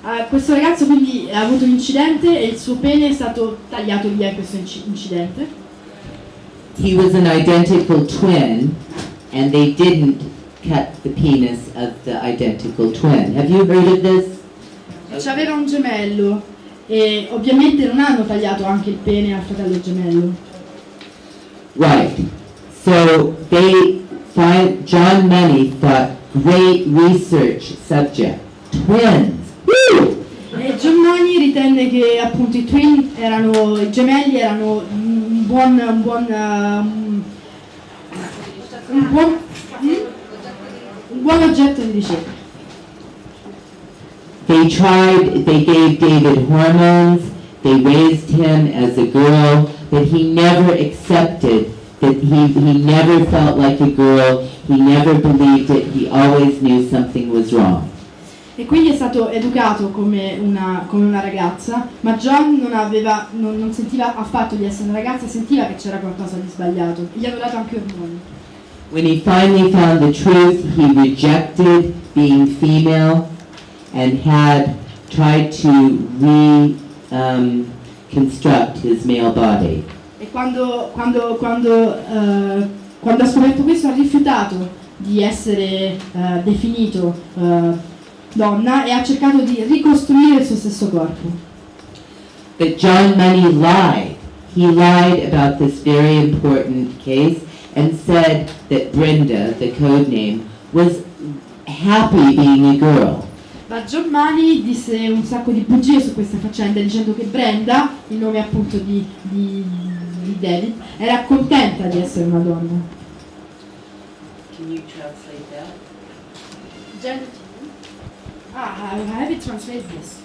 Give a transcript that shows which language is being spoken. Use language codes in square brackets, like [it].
[it] Questo ragazzo quindi ha avuto un incidente e il suo pene è stato tagliato via in questo incidente. [en] He was an identical twin and they didn't cut the penis of the identical twin. Have you heard of this? [it] C'aveva un gemello e ovviamente non hanno tagliato anche il pene al fratello gemello. [en] Right. So they find John Money thought great research subject. Twins. Woo! [it] E John Money ritenne che appunto i twin erano i gemelli erano un buon oggetto di ricerca. [en] They tried, they gave David hormones, they raised him as a girl, but he never accepted that he never felt like a girl, he never believed it, he always knew something was wrong. [it] E quindi è stato educato come una ragazza, ma John non sentiva affatto di essere una ragazza, sentiva che c'era qualcosa di sbagliato. Gli hanno dato anche ormoni. [en] When he finally found the truth, he rejected being female and had tried to reconstruct his male body. [it] E quando ha scoperto questo, ha rifiutato di essere definito donna e ha cercato di ricostruire il suo stesso corpo. [en] But John Money lied. He lied about this very important case and said that Brenda, the code name, was happy being a girl. [it] Ma John Money disse un sacco di bugie su questa faccenda dicendo che Brenda, il nome appunto di David, era contenta di essere una donna. [en] Can you translate that? I have it translated this.